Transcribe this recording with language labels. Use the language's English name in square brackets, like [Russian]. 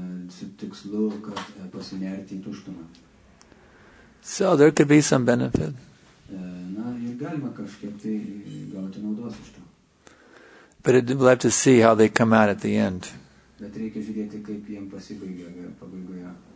[Lithuanian] Su tikslu, kad pasinerti į tuštumą. [English] So there could be some benefit. [Lithuanian] Na, ir galima kažkiek tai gauti naudos iš to. [English] But we'll have to see how they come out at the end. [Lithuanian] Bet reikia žiūrėti, kaip jiems pasibaigia pabaigoje.